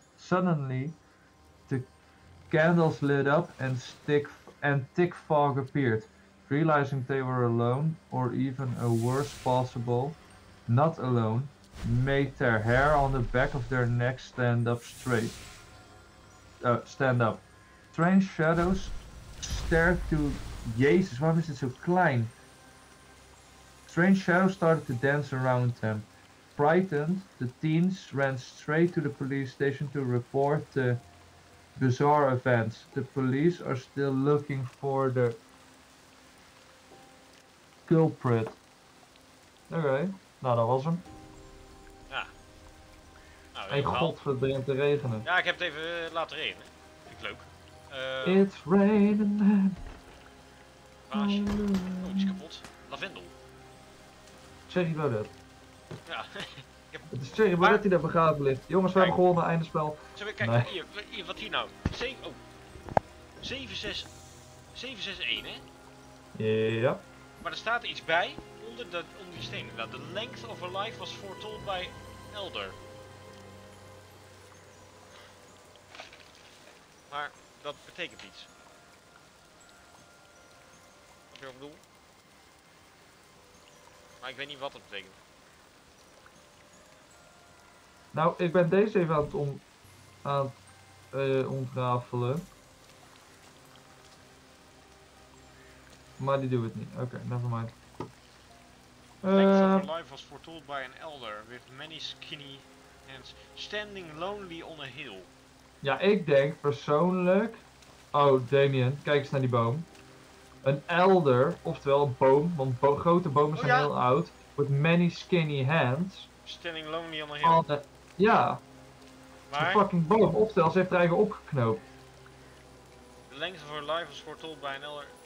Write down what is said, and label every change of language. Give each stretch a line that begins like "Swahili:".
English: Suddenly, candles lit up and thick fog appeared, realizing they were alone, or even a worse possible, not alone, made their hair on the back of their neck stand up straight. Strange shadows stared to...
Dutch: Jezus, waarom is het zo klein?
English: Strange shadows started to dance around them. Frightened, the teens ran straight to the police station to report the bizarre events. The police are still looking for the culprit.
Dutch: Oké. Nou, dat was hem. Ja. Nou, en god, het begint te regenen. Ja, ik heb het even laten regenen. Vind ik leuk.
English: It's raining.
Dutch: Vaasje. Oh, iets kapot. Lavendel. Cherry Baudet. Ja. Het is Cherry Baudet die daar begraven ligt. Jongens, kijk, we hebben gewonnen, einde spel. Kijk, nee. hier, wat hier nou? 7-6-1, hè? Ja. Maar er staat iets bij onder die steen.
English: Nou, the length of a life was foretold by Elder.
Dutch: Maar dat betekent iets. Wat ik bedoel? Maar ik weet niet wat dat betekent. Nou, ik ben deze even aan het ontrafelen. Maar die doet het niet. Oké, nevermind.
English: The length of a life was foretold by an elder with many skinny hands standing lonely on a hill.
Dutch: Ja, ik denk persoonlijk... Oh, Damien, kijk eens naar die boom. Een elder, oftewel een boom, want grote bomen zijn heel oud.
English: With many skinny hands. Standing lonely on a hill.
Dutch: Ja. Maar... Een fucking boom, oftewel ze heeft er eigen opgeknoopt.
English: The length of a life was foretold by an elder...